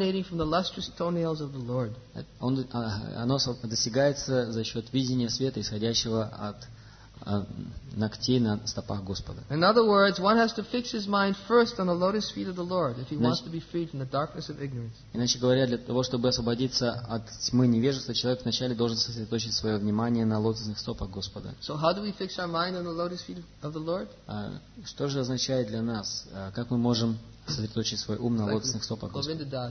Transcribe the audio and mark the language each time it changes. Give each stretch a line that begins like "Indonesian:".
Russian: Оно достигается за счет видения света, исходящего от ногтей на стопах Господа.
English: In other words, one has to fix his mind first on the lotus feet of the Lord if he wants to be freed from the darkness of ignorance.
Russian: Иначе говоря, для того чтобы освободиться от тьмы невежества, человек вначале должен сосредоточить свое внимание на лотосных стопах Господа.
English: So how do we fix our mind on the lotus feet of the Lord?
Russian: Что же означает для нас, как мы можем сосредоточить свой ум на лотосных стопах Господа?